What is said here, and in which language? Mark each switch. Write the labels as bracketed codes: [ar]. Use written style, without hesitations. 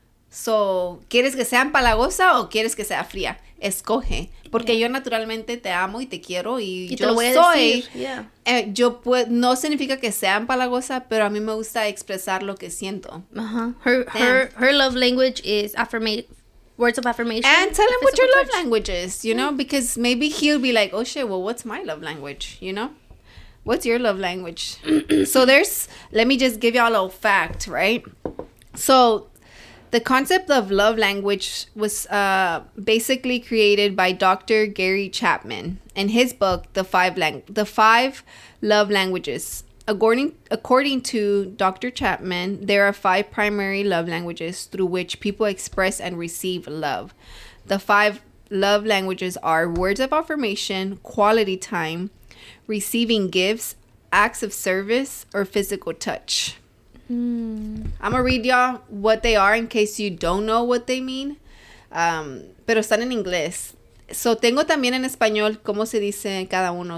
[es] So, ¿quieres que sea empalagosa o quieres que sea fría? Escoge. Porque yo naturalmente te amo y te quiero y yo te lo voy soy. A decir. Yeah. Yo pues no significa que sea empalagosa, pero a mí me gusta expresar lo que siento. [en] Uh-huh. Her love language is words of affirmation. And tell him what your love language is, you know? Mm-hmm. Because maybe he'll be like, oh shit, well, what's my love language, you know? What's your love language? So there's, let me just give y'all a little fact, right? So, the concept of love language was basically created by Dr. Gary Chapman in his book, The Five Love Languages. According to Dr. Chapman, there are five primary love languages through which people express and receive love. The five love languages are words of affirmation, quality time, receiving gifts, acts of service, or physical touch. I'm gonna read y'all what they are in case you don't know what they mean. [es] Pero están en inglés. So tengo también en español cómo se dice cada uno.